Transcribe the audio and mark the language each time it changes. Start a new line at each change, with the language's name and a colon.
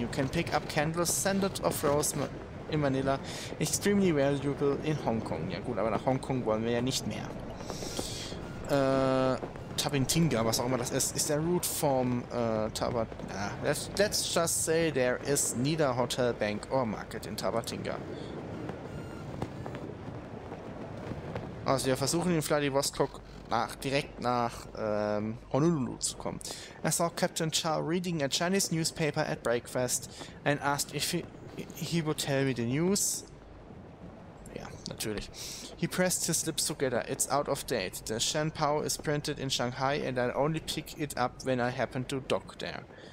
English: You can pick up candles, scented of rose in Manila. Extremely valuable in Hong Kong.
German: Ja gut, aber nach Hong Kong wollen wir ja nicht mehr. Tabintinga, was auch immer das ist.
English: Is there a route from Tabat... Nah, let's just say there is neither hotel, bank or market in Tabatinga.
German: Also wir versuchen in Vladivostok direkt nach Honolulu zu kommen.
English: I saw Captain Chow reading a Chinese newspaper at breakfast and asked if he would tell me the news.
German: Ja, natürlich.
English: He pressed his lips together. It's out of date. The Shen Pao is printed in Shanghai and I only pick it up when I happen to dock there.